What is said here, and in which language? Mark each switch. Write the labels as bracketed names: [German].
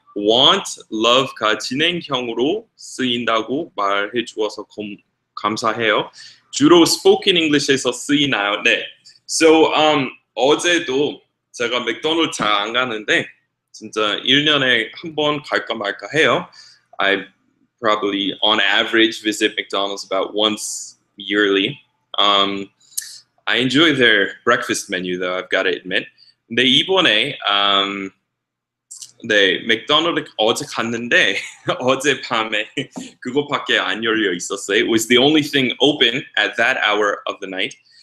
[Korean] Want, love가 진행형으로 쓰인다고 말해 주어서 감사해요. 주로 spoken English에서 쓰이나요? 네. So, 어제도 제가 맥도날드 잘안 가는데, 진짜 1년에 한번 갈까 말까 해요. [English] I probably, on average, visit McDonald's about once yearly. I enjoy their breakfast menu, though, I've got to admit. [Korean] 근데 이번에, 네, 맥도날드 어제 갔는데, 어젯밤에 그거밖에 안 열려 있었어요. [English] It was the only thing open at that hour of the night.